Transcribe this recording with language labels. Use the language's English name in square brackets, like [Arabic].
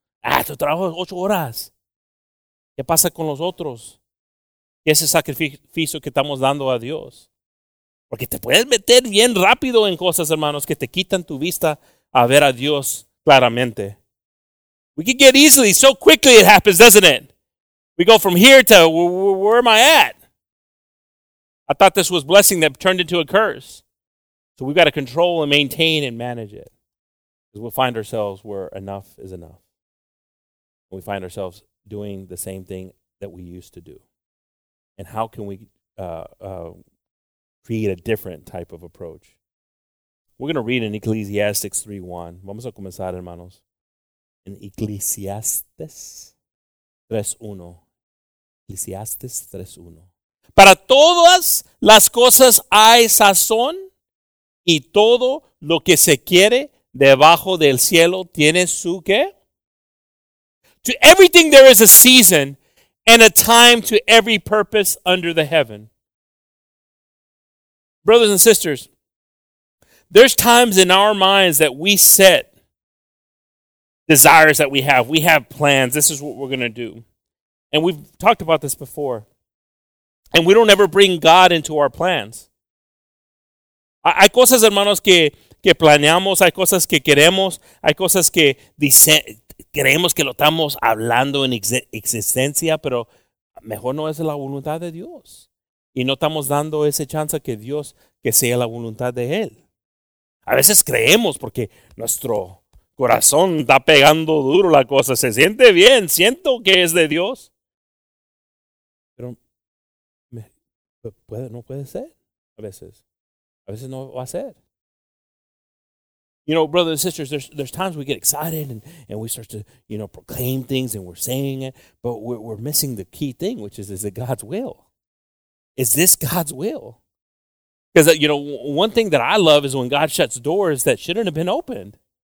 [Spanish] Ah, tu trabajo es 8 horas. ¿Qué pasa con los otros? ¿Qué es el sacrificio que estamos dando a Dios? Porque te puedes meter bien rápido en cosas, hermanos, que te quitan tu vista a ver a Dios claramente. [English] We can get easily, so quickly it happens, doesn't it? We go from here to where am I at? I thought this was blessing that turned into a curse. So we've got to control and maintain and manage it. Because we'll find ourselves where enough is enough. And we find ourselves doing the same thing that we used to do. And how can we create a different type of approach? We're going to read in Ecclesiastes 3:1. [Spanish] Vamos a comenzar, hermanos. [English] In Ecclesiastes 3:1. Ecclesiastes 3:1. [Spanish] Para todas las cosas hay sazón y todo lo que se quiere debajo del cielo tiene su qué. [English] To everything there is a season and a time to every purpose under the heaven. Brothers and sisters, there's times in our minds that we set desires that we have. We have plans. This is what we're going to do. And we've talked about this before. And we don't ever bring God into our plans. [Spanish] Hay cosas, hermanos, que planeamos. Hay cosas que queremos. Hay cosas que creemos que lo estamos hablando en existencia, pero mejor no es la voluntad de Dios. Y no estamos dando ese chance a que Dios que sea la voluntad de Él. A veces creemos porque nuestro corazón está pegando duro la cosa. Se siente bien. Siento que es de Dios. Puede, no puede ser, a veces no va a ser. [English] You know, brothers and sisters, there's times we get excited and we start to, you know, proclaim things and we're saying it, but we're missing the key thing, which is it God's will? Is this God's will? Because, you know, one thing that I love is when God shuts doors that shouldn't have been opened.